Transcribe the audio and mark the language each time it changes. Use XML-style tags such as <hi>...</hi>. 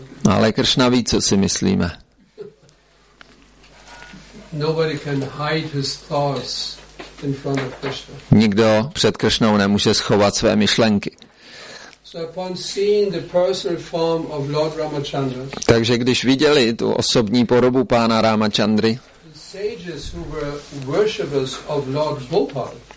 <cs>Ale Kršna ví, co si myslíme.</cs> <en>Nobody can hide his thoughts in front of Krishna.</en> <cs>Nikdo před Kršnou nemůže schovat své myšlenky.</cs> <en>So upon seeing the personal form of Lord Ramachandra.</en> <cs>Takže když viděli tu osobní podobu pána Ramachandry.</cs> <en>Sages who were worshippers of Lord Gopal.</en>